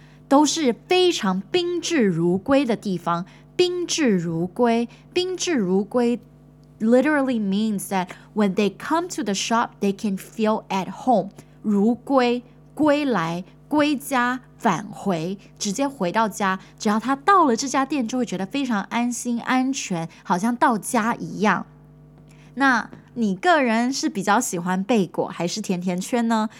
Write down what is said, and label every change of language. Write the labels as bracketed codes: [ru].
[zh] 都是非常宾至如归的地方。 [en] 宾至如归 literally means that when they come to the shop, they can feel at home. [zh] 如归,归来,归家,返回,直接回到家,只要他到了这家店就会觉得非常安心,安全,好像到家一样。那你个人是比较喜欢贝果还是甜甜圈呢？